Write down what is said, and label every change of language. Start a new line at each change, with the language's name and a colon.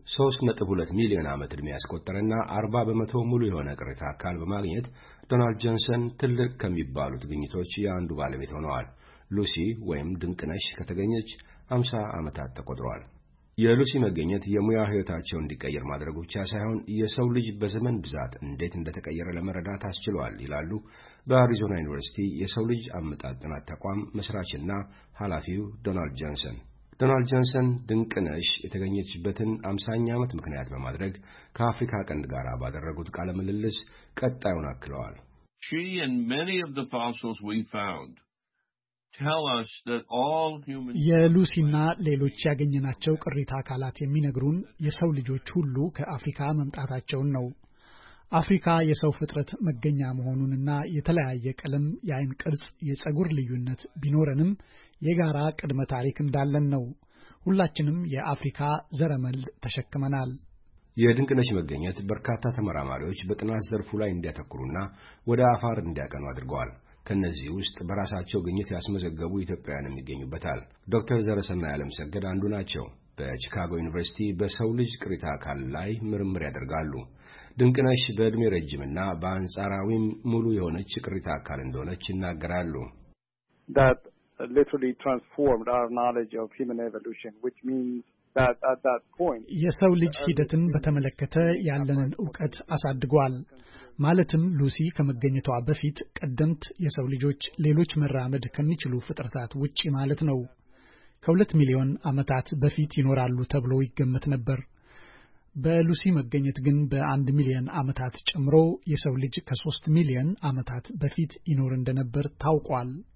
Amharic: 3.2 ሚሊዮን ዓመት ዕድሜ ያስቆጠረና 40% ሙሉ የሆነ ቅሪት አካል በማግኘት ዶናልድ ጆንሰን ትልቅ ከሚባሉት ግኝቶች የአንዱ ባለቤት ሆነዋል። ሉሲ ወይም ድንቅነሽ ከተገኘች 50 ዓመታት ተቆጥሯል። የሉሲ መገኘት የሙያ ህይወታቸው እንዲቀየር ማድረጉ ብቻ ሳይሆን የሰው ልጅ በዘመን ብዛት እንዴት እንደተቀየረ ለመረዳት አስችሏል ይላሉ በአሪዞና ዩኒቨርሲቲ የሰው ልጅ አመጣጥ ጥናት ተቋም መስራችና ኃላፊው ዶናልድ ጆንሰን። ዶናልድ ጆንሰን ድንቅነሽ የተገኘችበትን 50ኛ ዓመት ምክንያት በማድረግ ከአፍሪካ ቀንድ ጋር ባደረጉት ቃለ ምልልስ ቀጣዩን አክለዋል።
English: She and many of the fossils we found tell us that all humans
Amharic: የሉሲና ሌሎች ያገኘናቸው ቅሪታ አካላት የሚነግሩን የሰው ልጆች ሁሉ ከአፍሪካ መምጣታቸውን ነው። አፍሪካ የሰው ፍጥረት መገኛ መሆኑንና የተለያየ ቀለም ያይን ቅርጽ የጸጉር ልዩነት ቢኖረንም የጋራ ቅድመ ታሪክ እንዳለን ነው። ሁላችንም የአፍሪካ ዘረመል ተሸክመናል። የድንቅነሽ መገኘት በርካታ ተመራማሪዎች በጥናት ዘርፉ ላይ እንዲያተኩሩና ወደ አፋር እንዲያቀኑ አድርጓል። ከነዚህ ውስጥ በራሳቸው ግኝት ያስመዘገቡ ኢትዮጵያውያንም ይገኙበታል። ዶክተር ዘረሰናይ ዓለም ሰገድ አንዱ ናቸው። በቺካጎ ዩኒቨርሲቲ በሰው ልጅ ቅሪተ አካል ላይ ምርምር ያደርጋሉ። ድንቅነሽ በእድሜ ረጅምና በአንጻራዊም ሙሉ የሆነች ቅሪተ አካል እንደሆነች ይናገራሉ።
English: Literally transformed our knowledge of human evolution, which means that at that point
Amharic: የሰው ልጅ ሂደትን በተመለከተ ያለንን ዕውቀት አሳድጓል። ማለትም ሉሲ ከመገኘቷ በፊት ቀደምት የሰው ልጆች ሌሎች መራመድ ከሚችሉ ፍጥረታት ውጪ ማለት ነው ከሁለት ሚሊዮን ዓመታት በፊት ይኖራሉ ተብሎ ይገመት ነበር። በሉሲ መገኘት ግን በአንድ ሚሊዮን ዓመታት ጨምሮ የሰው ልጅ ከሶስት ሚሊዮን ዓመታት በፊት ይኖር እንደነበር ታውቋል።